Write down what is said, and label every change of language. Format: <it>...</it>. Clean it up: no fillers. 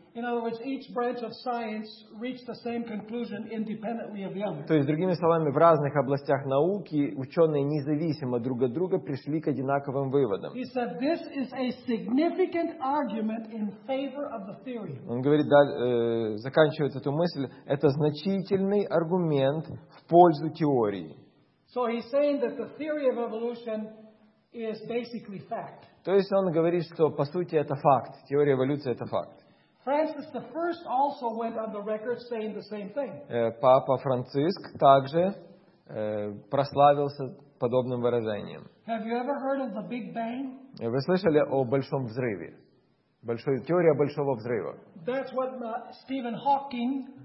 <en>In other words, each branch of science reached the same conclusion independently of the other.</en> <ru>То есть, другими словами, в разных областях науки ученые независимо друг от друга пришли к одинаковым выводам.</ru> <en>He said this is a significant argument in favor of the theory.</en> <ru>Он говорит, да, заканчивает эту мысль, это значительный аргумент в пользу теории.</ru> <en>So he's saying that the theory of evolution is basically fact.</en> <ru>То есть он говорит, что по сути это факт, теория эволюции это факт.</ru> <en>Francis I also went on the record saying the same thing.</en> <ru>Папа Франциск также прославился подобным выражением.</ru> <en>Have you ever heard of the Big Bang?</en> <ru>Вы слышали о большом взрыве? Большая теория большого взрыва.</ru> <en>That's what Stephen Hawking.</en>